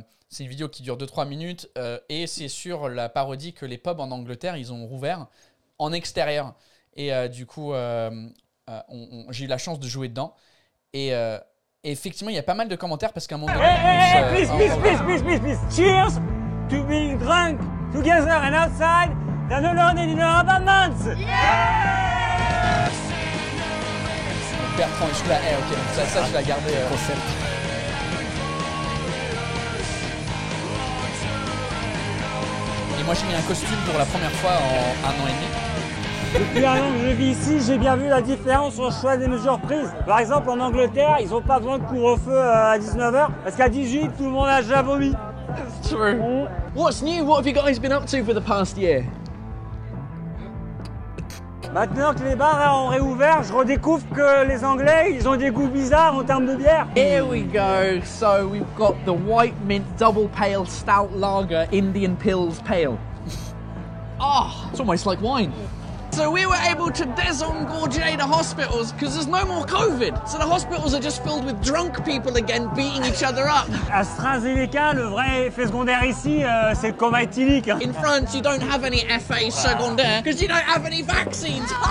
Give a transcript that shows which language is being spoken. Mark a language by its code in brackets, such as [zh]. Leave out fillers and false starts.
[fr] C'est une vidéo qui dure 2-3 minutes et c'est sur la parodie que les pubs en Angleterre ils ont rouvert en extérieur et j'ai eu la chance de jouer dedans et effectivement il y a pas mal de commentaires parce qu'à un moment donné [en] please, cheers to being drunk together and outside than alone in an apartment. Yeah! Yeah! [fr] Bertrand. Et je la hais, ok. Ça, ça je la garde. Concept. Et moi, j'ai mis un costume pour la première fois en un an et demi. Depuis un an que je vis ici, j'ai bien vu la différence au choix des mesures prises. Par exemple, en Angleterre, ils n'ont pas besoin de couvre-feu à 19h, parce qu'à 18h, tout le monde a déjà vomi. [en] That's true. What's new? What have you guys been up to for the past year? [fr] Maintenant que les bars ont réouvert, je redécouvre que les Anglais, ils ont des goûts bizarres en termes de bière. [en] Here we go. So we've got the white mint double pale stout lager, Indian Pils pale. Oh, it's almost like wine. So we were able to désengorger the hospitals because there's no more COVID. So the hospitals are just filled with drunk people again beating each other up. [fr] AstraZeneca, le vrai effet secondaire ici, c'est le coma éthylique. [en] In France, you don't have any [fr] effets secondaires [en] because you don't have any vaccines.